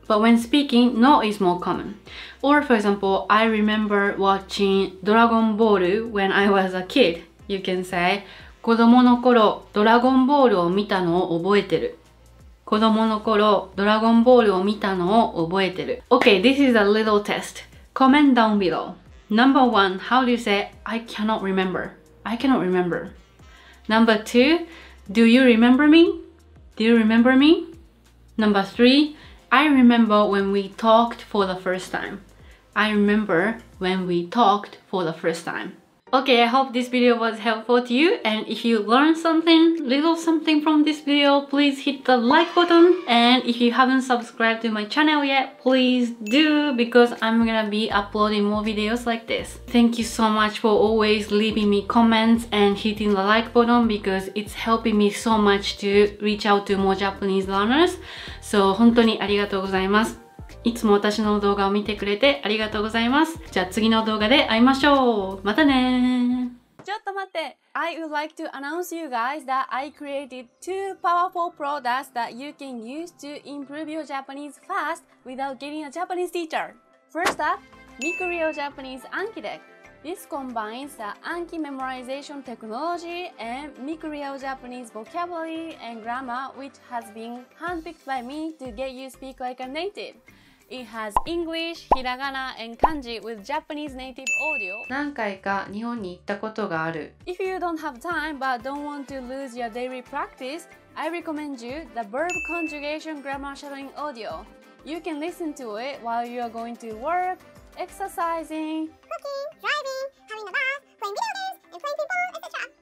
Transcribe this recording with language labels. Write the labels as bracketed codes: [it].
[en] But when speaking, no is more common. Or for example, I remember watching Dragon Ball when I was a kid. [ja] You can say 子供の頃ドラゴンボールを見たのを覚えてる。子供の頃ドラゴンボールを見たのを覚えてる。 [en] Okay, this is a little test. Comment down below. Number one, how do you say I cannot remember? I cannot remember. Number two, do you remember me? Do you remember me? Number three, I remember when we talked for the first time. I remember when we talked for the first time. Okay, I hope this video was helpful to you. And if you learned something, little something from this video, please hit the like button. And if you haven't subscribed to my channel yet, please do, because I'm gonna be uploading more videos like this. Thank you so much for always leaving me comments and hitting the like button, because it's helping me so much to reach out to more Japanese learners. [ja] So, 本当にありがとうございます。いつも私の動画を見てくれてありがとうございます。じゃあ次の動画で会いましょう。またねー。ちょっと待って。 [en] I would like to announce you guys that I created two powerful products that you can use to improve your Japanese fast without getting a Japanese teacher. First up, Mikuryo Japanese Anki Deck. This combines the Anki memorization technology and Mikuryo Japanese vocabulary and grammar, which has been handpicked by me to get you speak like a native. It has English, hiragana, and kanji with Japanese native audio. [ja] 何回か日本に行ったことがある。 [en] If you don't have time but don't want to lose your daily practice, I recommend you the verb conjugation grammar shadowing audio. You can listen to it while you are going to work, exercising, cooking, driving, having a bath, playing video games, and playing ping pong, etc.